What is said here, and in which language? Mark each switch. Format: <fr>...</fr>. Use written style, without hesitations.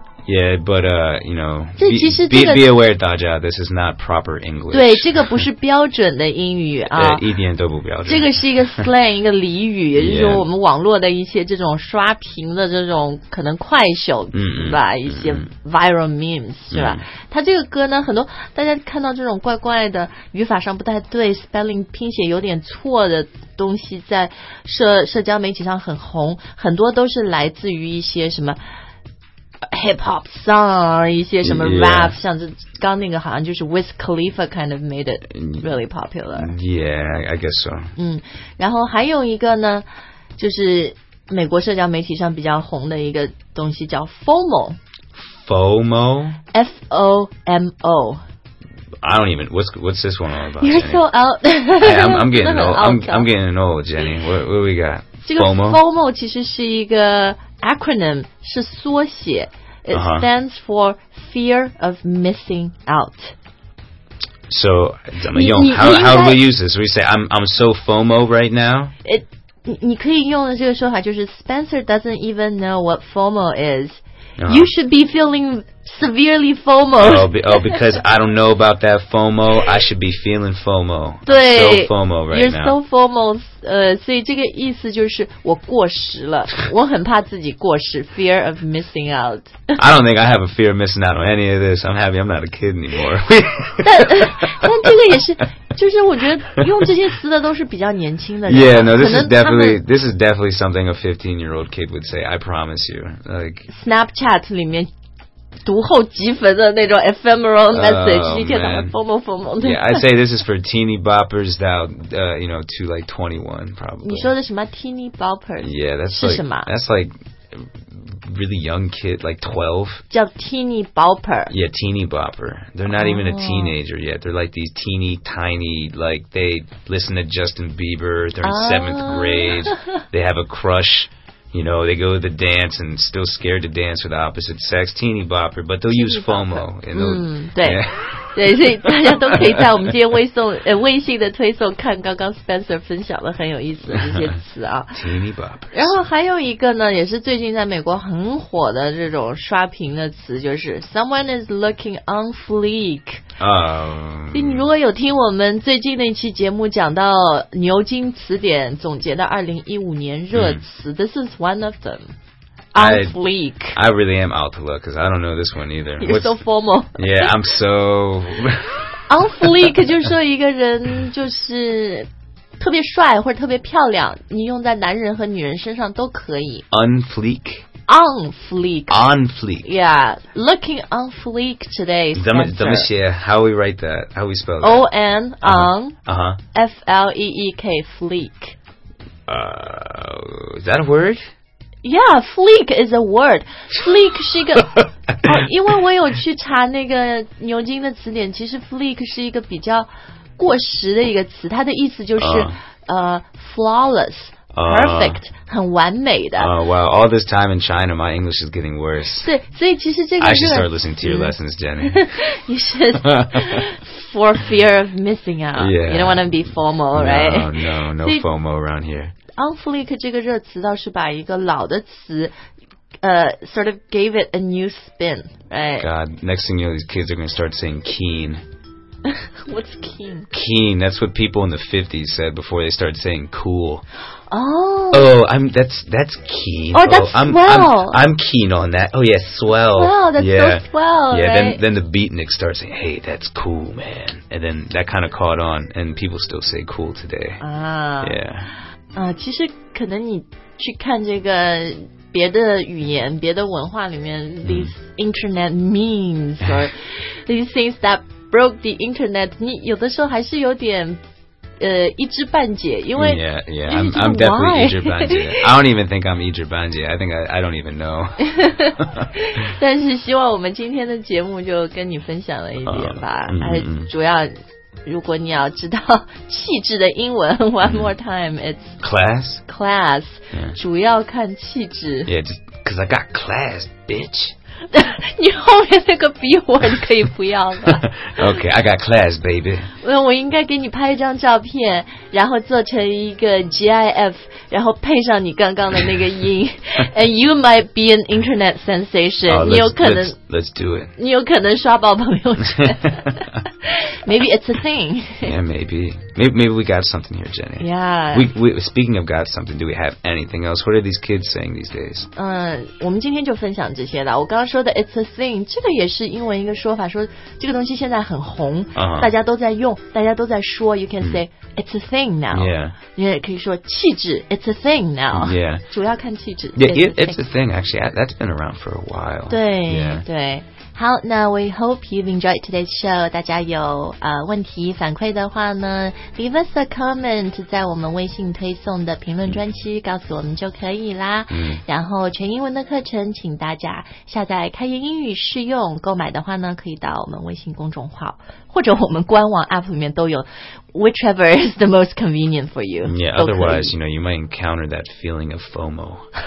<en>Yeah, but, you know, be aware,</en> <zh>大家,</zh> <en>this is not proper English.</en> <zh>对,这个不是标准的英语啊。对,一点都不标准。这个是一个 slang, 一个俚语,也就是说我们网络的一些这种刷屏的这种可能快手吧,一些</zh> <en>viral memes,</en> <zh>是吧? 他这个歌呢,很多大家看到这种怪怪的语法上不太对 ,spelling 拼写有点错的东西在社交媒体上很红,很多都是来自于一些什么Hip hop song, 一些什么 rap,</zh> <en>yeah.</en> <zh>像这刚那个好像就是</zh> <en>Wiz Khalifa kind of made it really popular. Yeah, I guess so.</en> <zh>然后还有一个呢，就是美国社交媒体上比较红的一个东西叫 FOMO.</zh> <en>FOMO? F-O-M-O. I don't even, what's this one all about, You're、 Jenny? So out. Hey, I'm getting old. I'm getting old, Jenny. What we got?</en> <zh>FOMO? FOMO 其实是一个 acronym, 是缩写。</zh> <en>It stands for fear of missing out.</en> <zh>So, 怎么用?</zh> <en>How do we use this? We say, I'm so FOMO right now.</en> <zh>你可以用的这个说法就是</zh> <en>Spencer doesn't even know what FOMO is. You should be feeling severely FOMO. Because I don't know about that FOMO, I should be feeling FOMO.</en> <zh>对</zh> <en>so FOMO right you're now. You're so FOMO.</en> <zh>所以这个意思就是我过时了，我很怕自己过时</zh> <en>fear of missing out. I don't think I have a fear of missing out on any of this. I'm happy I'm not a kid anymore.</en> <zh>但这个也是就是我觉得用这些词的都是比较年轻的人。</zh> <en>Yeah, no, this is definitely something a 15-year-old kid would say, I promise you. Like,</en> <zh>Snapchat 里面读后即焚的那种 ephemeral message, 一天到晚疯疯疯疯的。</zh> <en>Yeah, I say this is for teeny boppers to like 21, probably.</en> <zh>你说的什么 teeny boppers?</zh> <en>Yeah, that's</en> <zh>是什么</zh> <en>that's like... really young kid, like 12.</en> <zh>叫 teeny bopper.</zh> <en>Yeah, teeny bopper. They're not even a teenager yet. They're like these teeny tiny, like they listen to Justin Bieber. They're in seventh grade. They have a crush. You know, they go to the dance and still scared to dance with the opposite sex. Teeny bopper. But they'll use FOMO. And they'll,</en> <zh>对、</zh> <en>yeah.</en> <zh>对，所以大家都可以在我们今天微信的推送看刚刚 Spencer 分享了很有意思的这些词啊。然后还有一个呢，也是最近在美国很火的这种刷屏的词，就是</zh> <en>someone is looking on fleek。</en> <zh>所以你如果有听我们最近那期节目讲到牛津词典总结的2015年热词、，</zh> <en>this is one of them。 I really am out to look because I don't know this one either. You're、What's, so formal. Yeah, I'm so...</en> <zh>On fleek 就是说一个人就是特别帅或者特别漂亮，你用在男人和女人身上都可以。</zh> <en>On fleek? On fleek. On fleek. Yeah, looking on fleek today, Spencer.</en> <zh>怎么写?</zh> <en>How we write that? How we spell that? O-N, on, F-L-E-E-K, fleek. Is that a word? Yeah, fleek is a word.</en> <zh>Fleek 是一个，因为我有去查那个牛津的词典，其实 fleek 是一个比较过时的一个词，它的意思就是flawless, perfect, 很完美的。</zh> <en>Well, all this time in China, my English is getting worse.</en> <zh>对，所以其实这个是。</zh> <en>I should start listening to your lessons, Jenny. You should, for fear of missing out. Yeah. You don't want to be FOMO, right? No FOMO around here.</en> <zh>On fleek 这个热词倒是把一个老的词</zh> <en>sort of gave it a new spin, right? God, next thing you know, these kids are going to start saying keen. What's keen? Keen, that's what people in the 50s said before they started saying cool. Oh. Oh, that's keen. Oh, that's swell. I'm keen on that. Oh, yeah, swell. Wow, that's yeah. so swell, yeah, right? Then the beatniks start saying, hey, that's cool, man. And then that kind of caught on, and people still say cool today. Yeah.</en> <zh>其实可能你去看这个别的语言别的文化里面、</zh> <en>these internet memes or these things that broke the internet</en> <zh>你有的时候还是有点一知半解因为</zh> <en>I'm definitely</en> <zh>一知半解</zh> <en>I don't even think I'm 一知半解 I think I don't even know</en> <zh>但是希望我们今天的节目就跟你分享了一点吧、主要如果你要知道气质的英文</zh> <en>One more time It's Class、</en> <zh>yeah. 主要看气质</zh> <en>Yeah, just Cause I got class, bitch</en> <zh>你后面那个 B word 可以不要吗</zh> <en>Okay, I got class, baby</en> <zh>我应该给你拍一张照片然后做成一个 GIF 然后配上你刚刚的那个音</zh> <en>And you might be an internet sensation、 oh,</en> <zh>你有可能</zh> <en>let's do it</en> <zh>你有可能刷爆朋友圈</zh> <en>Maybe it's a thing. Yeah, maybe. Maybe we got something here, Jenny. Yeah. Speaking of got something, do we have anything else? What are these kids saying these days?</en> <zh>我们今天就分享这些了。我刚刚说的</zh> <en>it's a thing,</en> <zh>这个也是英文一个说法，说这个东西现在很红，</zh> <en>uh-huh.</en> <zh>大家都在用，大家都在说。</zh> <en>You can say it's a thing now. Yeah.</en> <zh>你也可以说气质</zh> <en>it's a thing now. Yeah.</en> <zh>主要看气质</zh> <en>Yeah, it's a thing. Actually, that's been around for a while.</en> <zh>对、</zh> <en>yeah.</en> <zh>对。好，那</zh> <en>we hope you've enjoyed today's show.</en> <zh>大家有问题反馈的话呢 ，</zh> <en>leave us a comment</en> <zh>在我们微信推送的评论专区告诉我们就可以啦。嗯。然后全英文的课程，请大家下载开言英语试用。购买的话呢，可以到我们微信公众号或者我们官网 app 里面都有 ，</zh> <en>whichever is the most convenient for you. Yeah. Otherwise, you know, you might encounter that feeling of FOMO.</en>